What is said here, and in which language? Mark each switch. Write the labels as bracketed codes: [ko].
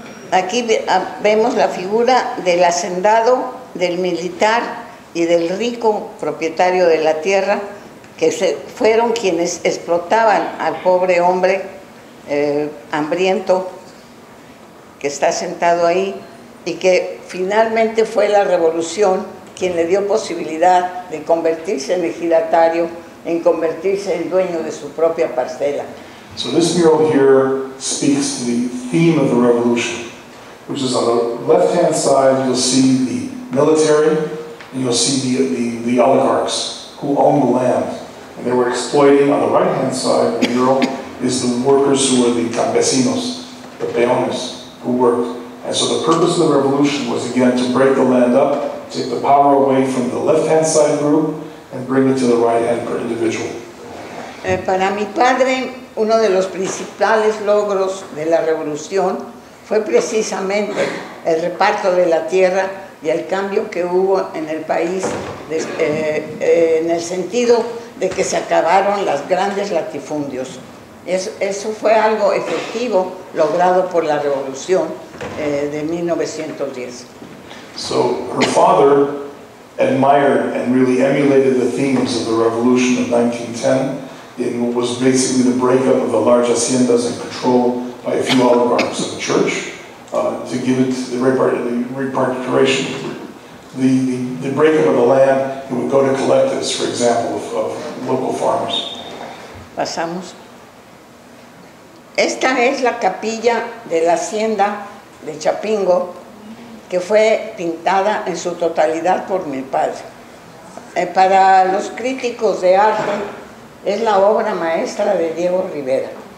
[es] Aquí vemos la figura del hacendado, del militar y del rico propietario de la tierra, que fueron quienes explotaban al pobre hombre hambriento que está sentado ahí, y que finalmente fue la revolución quien le dio posibilidad de convertirse en ejidatario, en convertirse en dueño de su propia parcela. [en] So this mural here speaks to the theme of the revolution, which is on the left-hand side you'll see the military, and you'll see the oligarchs who own the land. And they were exploiting, on the right-hand side of the mural, is the workers who were the campesinos, the peones, who worked. And so the purpose of the revolution was, again, to break the land up, take the power away from the left-hand side group and bring it to the right-hand individual. [es] Para mi padre, uno de los principales logros de la revolución fue precisamente el reparto de la tierra y el cambio que hubo en el país en el sentido de que se acabaron las grandes latifundios. Eso fue algo efectivo logrado por la revolución de 1910. [en] So her father admired and really emulated the themes of the revolution of 1910 in what was basically the breakup of the large haciendas and control by a few oligarchs of the church to give it the breakup of the land, it would go to collectives, for example, of local farmers. [es] Pasamos. Esta es la capilla de la hacienda de Chapingo, que fue pintada en su totalidad por mi padre. Para los críticos de arte, es la obra maestra de Diego Rivera.